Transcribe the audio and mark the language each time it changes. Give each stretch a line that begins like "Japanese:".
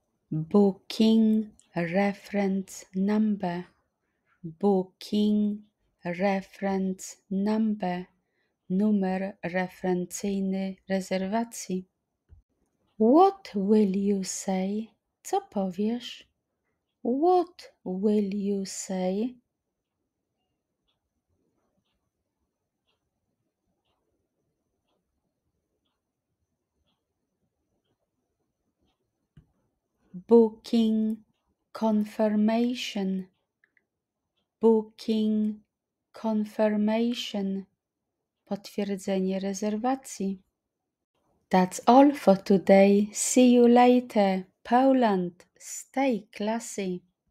English: Booking reference number. Booking reference number.
Polish: Numer referencyjny rezerwacji.
English: What will you say?
Polish: Co powiesz?
English: What will you say? booking, confirmation, booking, confirmation,
Polish: potwierdzenie rezerwacji.
English: That's all for today. See you later. Poland, stay classy.